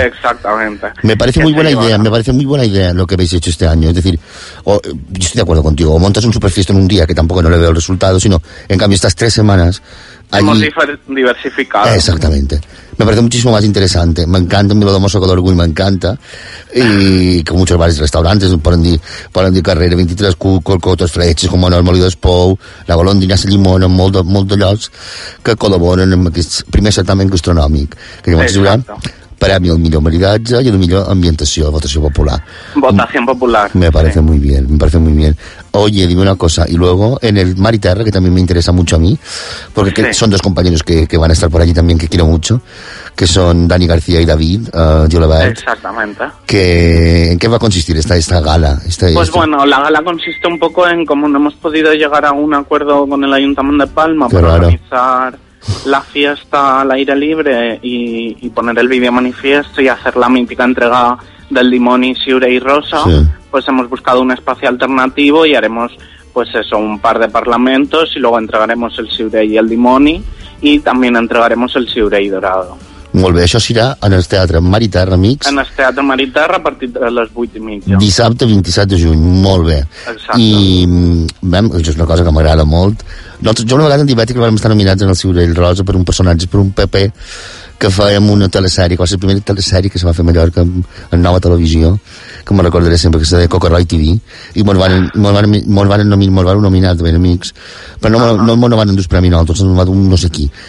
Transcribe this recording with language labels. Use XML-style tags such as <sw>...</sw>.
<es>Exactamente. Me parece muy buena idea, lo que habéis hecho este año. Es decir, yo estoy de acuerdo contigo, o montas un superfiesto en un día, que tampoco no le veo el resultado, sino, en cambio, estas tres semanas... Allí... Hemos diversificado. Exactamente. Me parece muchísimo más interesante. Me encanta, me lo damos a Mossegal Orgull, me encanta. Y con muchos bares y restaurantes, por andy Carrera 23, Cocotos, Fletxes, como no, el Molí d'Espou, la Golondrina, la Llimona,</es> <ca>molt de llocs que col·laboren amb aquest primer certamen gastronòmic. Que llavors hi haurà premi al millor maridatge i a la millor ambientació, votació popular. Votació popular.</ca> <es>Me parece muy bien, me parece muy bien. Oye, dime una cosa, y luego en el Mar y Terra, que también me interesa mucho a mí, porque sí. Son dos compañeros que van a estar por allí también, que quiero mucho, que son Dani García y David, Jolabert. Exactamente. ¿En qué va a consistir esta gala? Bueno, la gala consiste un poco en cómo no hemos podido llegar a un acuerdo con el Ayuntamiento de Palma para organizar la fiesta al aire libre y poner el vídeo manifiesto y hacer la mítica entrega del Limón y Siure y Rosa. Sí. Pues hemos buscado un espacio alternativo y haremos, pues eso, un par de parlamentos y luego entregaremos el Siure y el Dimoni y también entregaremos el Siure y Dorado.</es> <ca>Molt bé, això serà en el Teatre Mar i Terra, amics. En el Teatre Mar i Terra a partir de les 8:30. Dissabte 27 de juny, molt bé. Exacte. I, això és una cosa que m'agrada molt. Nosaltres, jo una vegada en Divètic vam estar nominats en el Siure i el Rosa per un personatge, per un paper que fèiem una telesèrie, que va ser la primera telesèrie que se va fer a Mallorca en Nova Televisió, que me recordaré sempre, que se deia Cocoroy TV, i me'l van nominar de ben amics, però no me'l van endur premi nosaltres, me'l van un no sé qui.</ca>